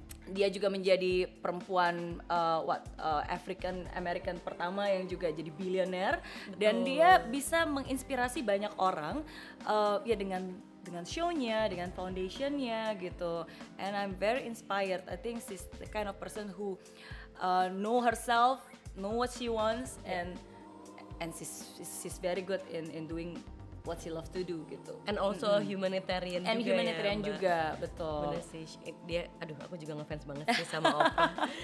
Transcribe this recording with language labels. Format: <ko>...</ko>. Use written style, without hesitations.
<id>Dia juga menjadi perempuan African American pertama yang juga jadi billionaire. Betul. Dan dia bisa menginspirasi banyak orang ya dengan dengan show-nya, dengan foundation-nya gitu.</id> <en>And I'm very inspired. I think she's the kind of person who know herself, know what she wants, and she's very good in doing what she loves to do</en> <id>gitu.</id> <en>And also mm-hmm. humanitarian. And</en> <id>juga humanitarian ya, juga, betul. Bener sih. Dia, aduh, aku juga ngefans banget sih sama Oprah.</id>